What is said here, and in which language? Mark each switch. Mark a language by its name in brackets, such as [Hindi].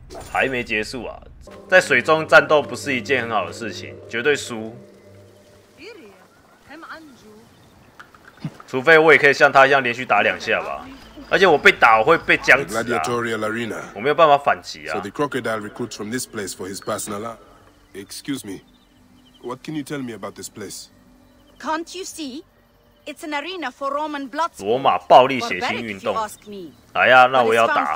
[Chinese] 还没结束啊，在水中战斗不是一件很好的事情，绝对输。除非我也可以像他一样连续打两下吧，而且我被打我会被僵直啊，我没有办法反击啊。 [English] So the crocodile recruits from this place for his personal. Excuse me, what can you tell me about this place? Can't you see? It's an arena for Roman blood. [Chinese] 罗马暴力血腥运动。哎呀，那我要打。